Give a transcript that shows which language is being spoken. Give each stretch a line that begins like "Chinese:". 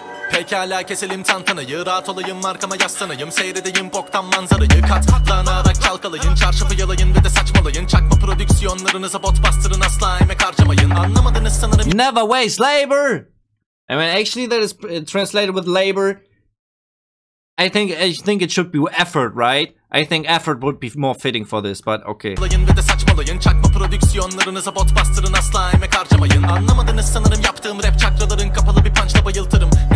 Turkish: Pekala keselim tantanayı rahat olayım arkama yaslanayım seyredeyim boktan manzarayı katlanarak çalkalayın çarşafı yalayın ve de saçmalayın çakma prodüksiyonlarınıza bot bastırın asla emek harcamayın anlamadınız sanırım.
English: You never waste labor. I mean actually that is translated with labor. I think it should be effort, right? I think effort would be more fitting for this, but okay.
Turkish: Yalayın ve de saçmalayın çakma prodüksiyonlarınıza bot bastırın asla emek harcamayın anlamadınız sanırım yaptığım rap çakraların kapalı bir punchla bayıltırım.